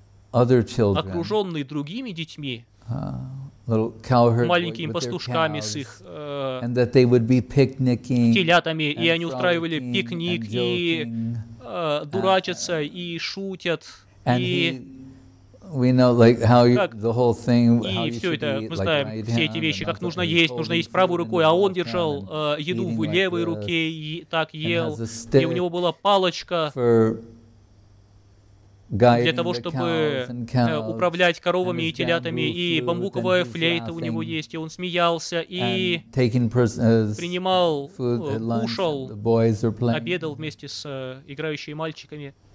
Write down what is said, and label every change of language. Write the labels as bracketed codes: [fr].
[ru] окруженный другими детьми, маленькими пастушками с их телятами, и они устраивали пикник, и дурачатся, и шутят, и... [en] We know, like, how you, the whole thing, [ru] и все это, мы знаем, все эти вещи, как нужно есть, нужно есть правой рукой, а он держал еду в левой руке и так ел, и у него была палочка для того, чтобы управлять коровами и телятами, и бамбуковая флейта у него есть, и он смеялся, и принимал, кушал, обедал вместе с играющими мальчиками.